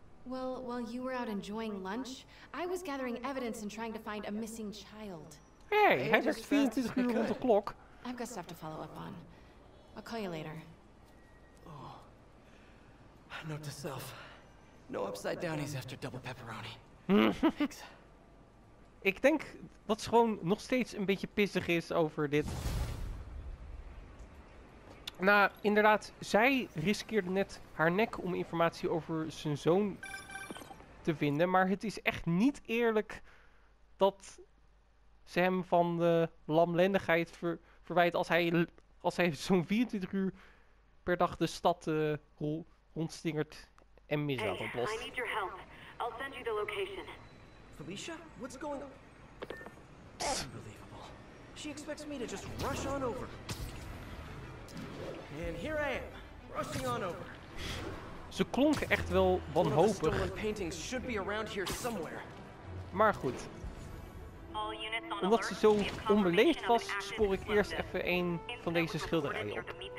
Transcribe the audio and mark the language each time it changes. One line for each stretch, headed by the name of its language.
English: Well, while you were out enjoying lunch, I was gathering evidence and trying to find a missing child.
Dutch: Hey, hij werkt 24 uur rond de klok.
English: I've got stuff to follow up on. I'll call you later. Oh. Note to self. No upside downies after double pepperoni.
Dutch: Ik denk dat ze gewoon nog steeds een beetje pissig is over dit. Nou, inderdaad, zij riskeerde net haar nek om informatie over zijn zoon te vinden. Maar het is echt niet eerlijk dat ze hem van de lamlendigheid verwijt als hij zo'n 24 uur per dag de stad rondstingert en misdaad oplost.
English: Hey, I need your help. I'll send you the location. Felicia? What's going on? Unbelievable. She expects me to just rush on over. And here I am, rushing on over.
Dutch: Ze klonk echt wel wanhopig.
English: One of the stolen paintings should be around here somewhere.
Dutch: Maar goed. Omdat ze zo onbeleefd was, spoor ik eerst even een van deze schilderijen op.